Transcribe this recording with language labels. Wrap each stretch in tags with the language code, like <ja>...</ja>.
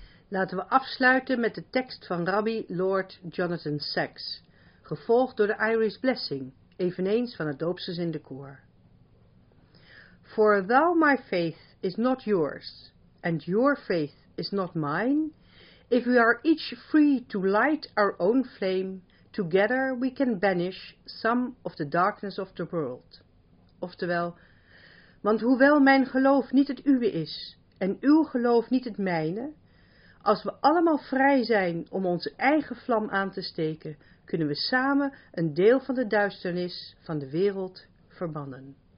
<nl>Laten we afsluiten met de tekst van Rabbi Lord Jonathan Sacks, gevolgd door de Irish Blessing, eveneens van het doopgezinde koor.</nl> <en>For though my faith is not yours, and your faith is not mine, if we are each free to light our own flame, together we can banish some of the darkness of the world.</en> <nl>Oftewel, want hoewel mijn geloof niet het uwe is, en uw geloof niet het mijne, als we allemaal vrij zijn om onze eigen vlam aan te steken, kunnen we samen een deel van de duisternis van de wereld verbannen.</nl>